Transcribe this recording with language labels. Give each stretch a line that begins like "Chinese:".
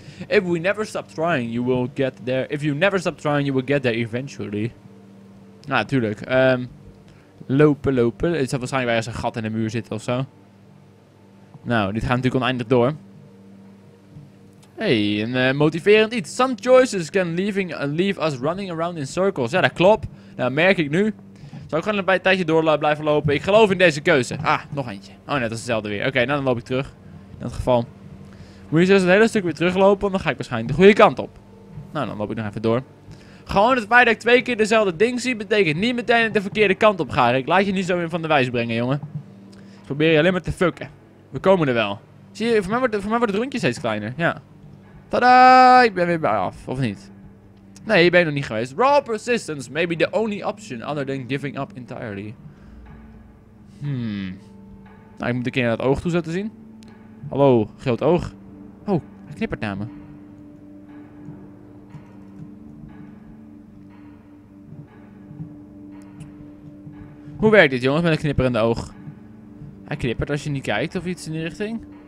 English: If we never stop trying, you will get there. If you never stop trying, you will get there eventually.
Dutch: Nou, tuurlijk. Lopen. Het is waarschijnlijk waar je als een gat in de muur zit of zo. Nou, dit gaat natuurlijk oneindig door. Hey, een motiverend iets.
English: Some choices can leave us running around in circles.
Dutch: Ja, dat klopt. Nou, merk ik nu. Zou ik gewoon een tijdje door blijven lopen? Ik geloof in deze keuze. Ah, nog eentje. Oh, net als hetzelfde weer. Oké, nou dan loop ik terug. In dat geval. Moet je zelfs een hele stuk weer teruglopen, dan ga ik waarschijnlijk de goede kant op. Nou, dan loop ik nog even door. Gewoon het feit dat ik twee keer dezelfde ding zie, betekent niet meteen de verkeerde kant op gaan. Ik laat je niet zo weer van de wijs brengen, jongen. Ik probeer je alleen maar te fucken. We komen er wel. Zie je, voor mij wordt het rondje steeds kleiner. Ja. Tada, ik ben weer bij af, of niet? Nee, je bent nog niet geweest.
English: Raw persistence may be the only option other than giving up entirely.
Dutch: Nou, ik moet een keer naar het oog toe zetten zien. Hallo, groot oog. Oh, hij knippert naar me. Hoe werkt dit, jongens, met een knipperende oog? Hij knippert als je niet kijkt of iets in die richting.